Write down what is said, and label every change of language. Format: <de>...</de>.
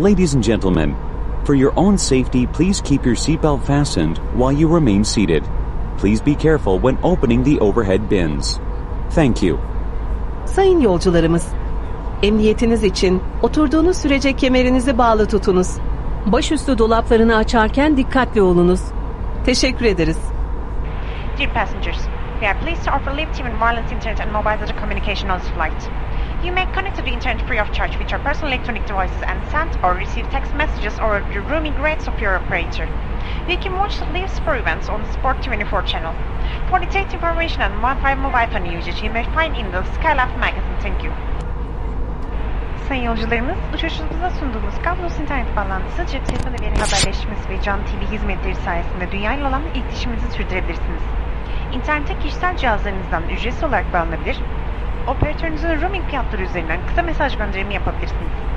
<en>Ladies and gentlemen, for your own safety, please keep your seatbelt fastened while you remain seated. Please be careful when opening the overhead bins. Thank you.</en> <tr>Sayın yolcularımız, emniyetiniz için oturduğunuz sürece kemerinizi bağlı tutunuz. Başüstü dolaplarını açarken dikkatli olunuz. Teşekkür ederiz.</tr> <en>Dear passengers, we are pleased to offer live TV and wireless internet and mobile data communication on this flight. You may connect to the internet free of charge with your personal electronic devices and send or receive text messages or the roaming rates of your operator. You can watch live sport events on Sport 24 channel. For detailed information and Wi-Fi mobile phone usage, you may find in the Skylab magazine. Thank you.</en> <tr>Sayın yolcularımız, uçuşumuza sunduğumuz kablosuz internet bağlantısı, cep telefonu veri haberleşmesi ve canlı TV hizmetleri sayesinde dünyayla olan iletişiminizi sürdürebilirsiniz. İnternete kişisel cihazlarınızdan ücretsiz olarak bağlanabilir, operatörünüzün roaming fiyatları üzerinden kısa mesaj gönderimi yapabilirsiniz.</tr>